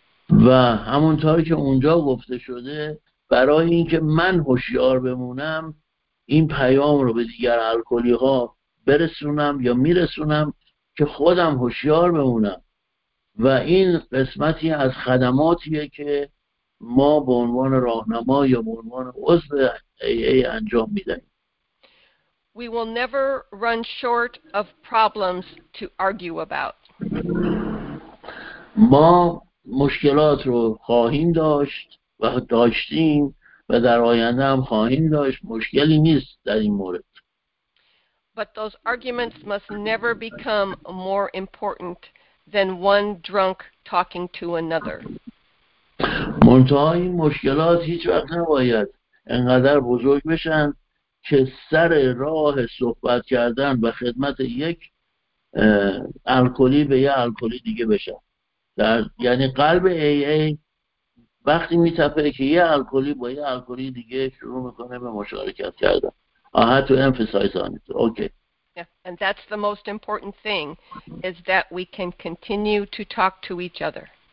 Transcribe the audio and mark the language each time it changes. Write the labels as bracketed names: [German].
[Persian] و همونطوری که اونجا گفته شده، برای اینکه من هوشیار بمونم، این پیام رو به دیگر الکلی ها برسونم یا میرسونم که خودم هوشیار بمونم. و این قسمتی از خدماتیه که ما به عنوان راهنما یا به عنوان عضو AA انجام میدهیم. [English] We will never run short of problems to argue about. [Persian] ما مشکلات رو خواهیم داشت و داشتیم و در آینده هم خواهیم داشت، مشکلی نیست در این مورد. [English] But those arguments must never become more important than one drunk talking to another. [Persian] منتها این مشکلات هیچ وقت نباید انقدر بزرگ بشن که سر راه صحبت کردن و خدمت یک الکلی به یه الکلی دیگه بشن. یعنی قلب AA وقتی میتپه که یه الکلی با یه الکلی دیگه شروع میکنه به مشارکت کردن. [English] I had to emphasize on it. Okay. Yeah, and that's the most important thing, is that we can continue to talk to each other.